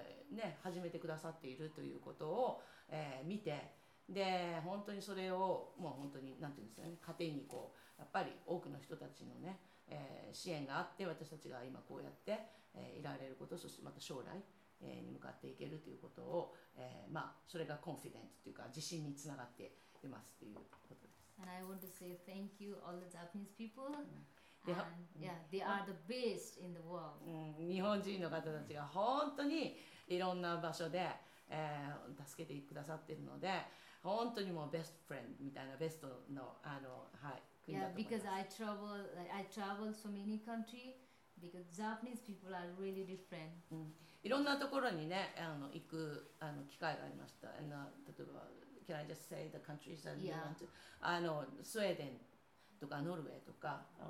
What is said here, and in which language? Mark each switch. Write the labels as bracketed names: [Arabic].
[Japanese] ね、始めてくださっているということを、見て、で本当にそれをもう本当になんていうんですかね、家庭にこうやっぱり多くの人たちのね、支援があって私たちが今こうやって、いられること、そしてまた将来、に向かっていけるということを、まあ、それがコンフィデントというか自信につながっていますということです。 [English] And I want to say thank you all the Japanese people and yeah, they are the best in the world. [Japanese] 日本人の方たちが本当にいろんな場所で、助けてくださっているので、本当にもうベストフレンドみたいな、ベストの、あの、はい、 [English] Yeah, because I travel so many country because Japanese people are really different. [Japanese] いろんなところにね、あの行くあの機会がありました。 [English] And, [Japanese] 例えば、 [English] Can I just say the countries that you went to? [Japanese] あの、スウェーデンとかノルウェーとか、